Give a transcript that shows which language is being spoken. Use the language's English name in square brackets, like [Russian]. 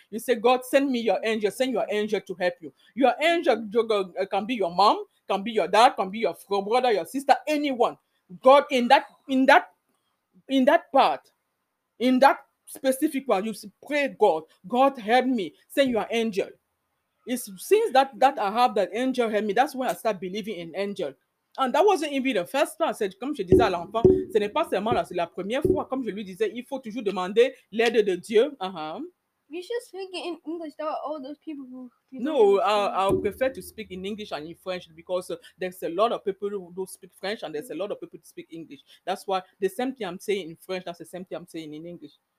[English] You say, God, send me your angel. Send your angel to help you. Your angel can be your mom, can be your dad, can be your brother, your sister, anyone. God, in that specific one, you pray, God help me, send your angel. It's since that I have that angel help me, that's when I start believing in angel. And that wasn't even the first time. [French] C'est comme je disais à l'enfant, ce n'est pas seulement là, c'est la première fois. Comme je lui disais, il faut toujours demander l'aide de Dieu. [English] You should speak in English to all those people who... No, I prefer to speak in English and in French because there's a lot of people who don't speak French and there's a lot of people who speak English. That's why the same thing I'm saying in French, that's the same thing I'm saying in English.